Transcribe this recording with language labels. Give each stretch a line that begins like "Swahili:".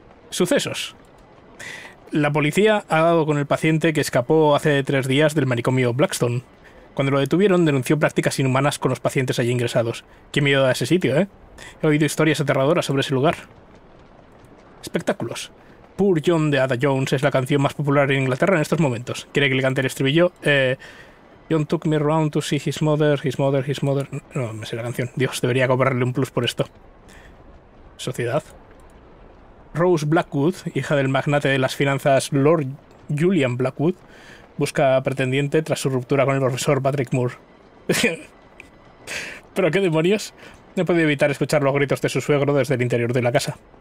Spanish: Sucesos. La policía ha dado con el paciente que escapó hace 3 días del manicomio Blackstone. Cuando lo detuvieron, denunció prácticas inhumanas con los pacientes allí ingresados. Qué miedo da ese sitio, ¿eh? He oído historias aterradoras sobre ese lugar. Espectáculos. Poor John de Ada Jones es la canción más popular en Inglaterra en estos momentos. ¿Quiere que le cante el estribillo?
English: John took me round to see his mother...
Spanish: No, me sé la canción. Dios, debería cobrarle un plus por esto. Sociedad. Rose Blackwood, hija del magnate de las finanzas Lord Julian Blackwood, busca pretendiente tras su ruptura con el profesor Patrick Moore. ¿Pero qué demonios? No he podido evitar escuchar los gritos de su suegro desde el interior de la casa.